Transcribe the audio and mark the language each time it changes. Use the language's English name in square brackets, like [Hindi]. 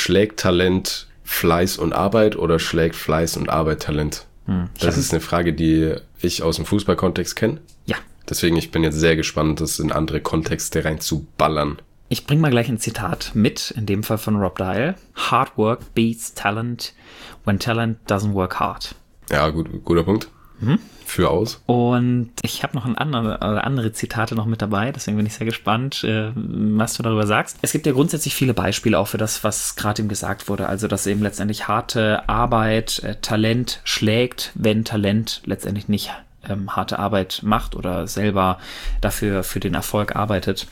[German] Schlägt Talent Fleiß und Arbeit oder schlägt Fleiß und Arbeit Talent? Das ist eine Frage, die ich aus dem Fußballkontext kenne. Ja. Deswegen, ich bin jetzt sehr gespannt, das in andere Kontexte reinzuballern. Ich bringe mal gleich ein Zitat mit, in dem Fall von Rob Dial. [English] Hard work beats talent when talent doesn't work hard. [German] Ja, gut, guter Punkt. Für aus. Und ich habe noch andere Zitate noch mit dabei, deswegen bin ich sehr gespannt, was du darüber sagst. Es gibt ja grundsätzlich viele Beispiele auch für das, was gerade eben gesagt wurde. Also, dass eben letztendlich harte Arbeit Talent schlägt, wenn Talent letztendlich nicht harte Arbeit macht oder selber dafür für den Erfolg arbeitet.